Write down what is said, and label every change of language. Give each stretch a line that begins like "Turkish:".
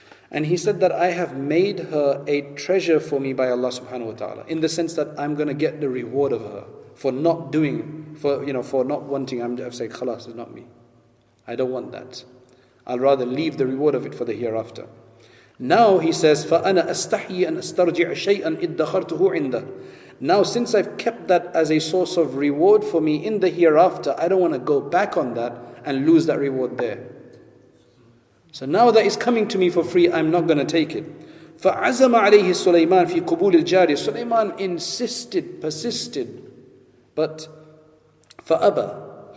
English: And he said that I have made her a treasure for me by Allah subhanahu wa ta'ala. In the sense that I'm going to get the reward of her for not wanting. I'm saying, khalas, it's not me. I don't want that. I'll rather leave the reward of it for the hereafter. Now he says,
Arabic: فَأَنَا أَسْتَحْيِي أَنْ أَسْتَرْجِعَ شَيْئًا إِدَّخَرْتُهُ عِنْدَهُ.
English: Now since I've kept that as a source of reward for me in the hereafter, I don't want to go back on that and lose that reward there. So now that it's coming to me for free, I'm not going to take it.
Arabic: فَعَزَمَ عَلَيْهِ سُلَيْمَانَ فِي قُبُولِ الْجَارِيَةِ.
English: Sulaiman insisted, persisted, but
Arabic: فَأَبَى.